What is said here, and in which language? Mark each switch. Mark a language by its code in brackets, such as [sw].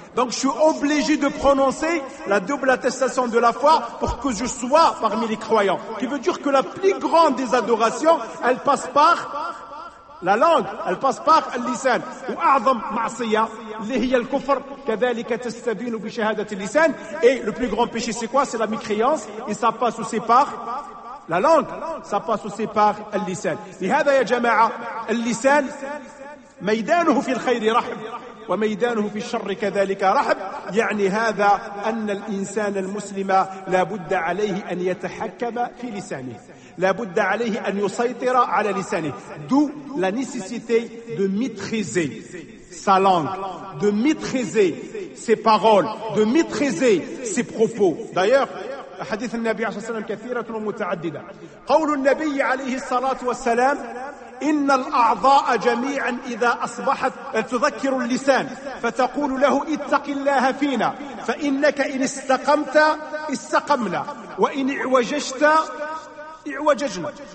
[fr] Donc je suis obligé de prononcer la double attestation de la foi pour que je sois parmi les croyants. Qui veut dire que la plus grande des adorations, elle passe par la langue, elle passe par اللسان. [ar] وأعظم معصية اللي هي الكفر كذلك تستبين بشهادة اللسان. [fr] Et le plus grand péché c'est quoi? C'est la mécréance. Et ça passe aussi par la langue. Ça passe aussi par اللسان. [ar] لهذا يا جماعة, اللسان ميدانه في الخير رحب وميدانه في الشر كذلك رحب. يعني هذا أن الإنسان المسلم لا بد عليه أن يتحكم في لسانه, لا بد عليه أن يسيطر على لسانه. [fr] دو لا نيسيسيتي دو ميتريزي sa langue, de maîtriser ses paroles, de maîtriser ses propos. [ar] D'ailleurs, حديث النبي صلى الله عليه وسلم كثيرة ومتعددة. قول النبي عليه الصلاة والسلام إن الأعضاء جميعا إذا أصبحت تذكر اللسان فتقول له اتق الله فينا, فإنك إن استقمت استقمنا وإن اعوججت اعوججنا.